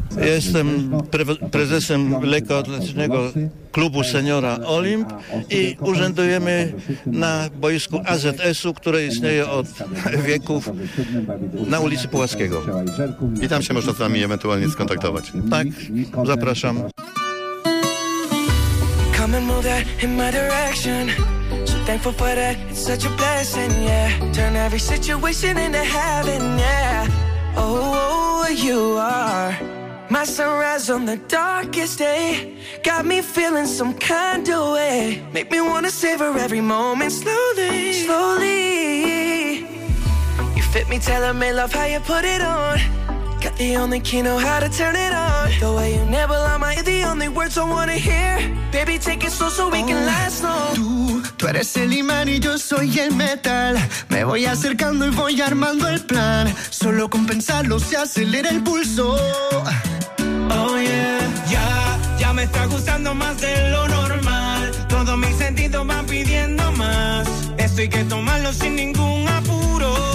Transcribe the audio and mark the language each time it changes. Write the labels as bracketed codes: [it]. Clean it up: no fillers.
[pl] Jestem prezesem lekkoatletycznego klubu seniora Olimp i urzędujemy na boisku AZS-u, które istnieje od wieków na ulicy Pułaskiego. I tam się można z nami ewentualnie skontaktować. Tak, zapraszam. [en] Coming move that in my direction. So thankful for that, it's such a blessing, yeah. Turn every situation into heaven, yeah. Oh, you are my sunrise on the darkest day. Got me feeling some kind of way. Make me wanna savor every moment slowly, slowly. You fit me, tell me, love how you put it on. Got the only key, know how to turn it on. The way you nibble on my ear, the only words I wanna hear. Baby, take it slow so we can last long. [es] Tú eres el imán y yo soy el metal. Me voy acercando y voy armando el plan. Solo con pensarlo se acelera el pulso. [en] Oh yeah. [es] Ya, ya me está gustando más de lo normal. Todos mis sentidos van pidiendo más. Esto hay que tomarlo sin ningún apuro.